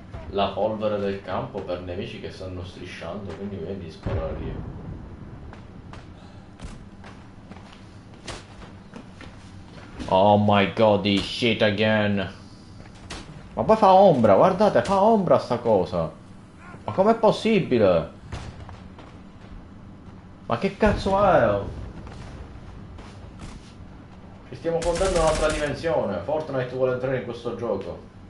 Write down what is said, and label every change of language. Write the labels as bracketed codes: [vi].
[it] La polvere del campo per nemici che stanno strisciando, quindi vedi sparare lì. [en] Oh my god, this shit again. [it] Ma poi fa ombra, guardate, fa ombra sta cosa. Ma com'è possibile? Ma che cazzo è? Ci stiamo fondendo un'altra dimensione. Fortnite vuole entrare in questo gioco.